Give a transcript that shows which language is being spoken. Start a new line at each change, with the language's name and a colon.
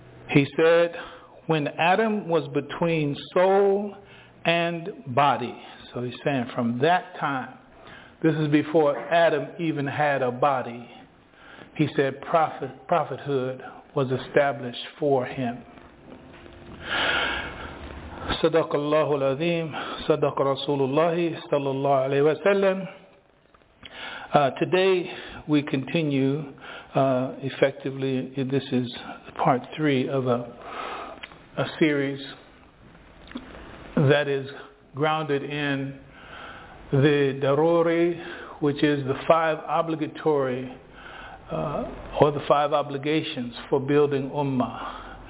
English: He said, when Adam was between soul and body. So he's saying from that time, this is before Adam even had a body. He said prophethood was established for him.
Arabic: صدق الله العظيم صدق رسول الله صلى الله عليه وسلم.
English: Today we continue effectively, this is part three of a series that is grounded in the daruri, which is the five obligatory or the five obligations for building ummah.